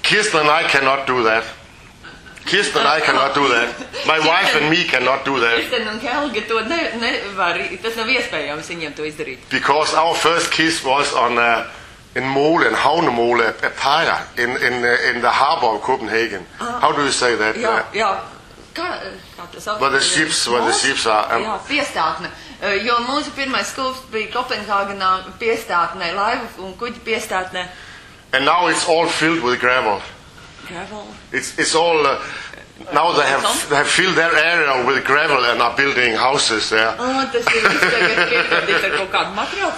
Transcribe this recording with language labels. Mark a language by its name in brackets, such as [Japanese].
[English] Kirsten, I cannot do that. Kirsten, I cannot do that. My wife and me cannot do that. [Latvian] Kirsten un Helga to nevar, tas nav iespējams viņiem to izdarīt. [English] Because our first kiss was on in Mole, in Havnemole, a pier, in the harbor of Copenhagen. How do you say that? [Latvian] Jā, jā. Kā [English] but the ships, where the ships are. [Latvian] Jā, piestātne. Jo mūsu pirmais skulps bija Kopenhāgenā piestātnē, laivu un kuģi piestātnē. [English] And now it's all filled with gravel. Gravel? It's all, now they have filled their area with gravel and are building houses there. [Latvian] Tas ir visu tagad ir kaut kādu materiālu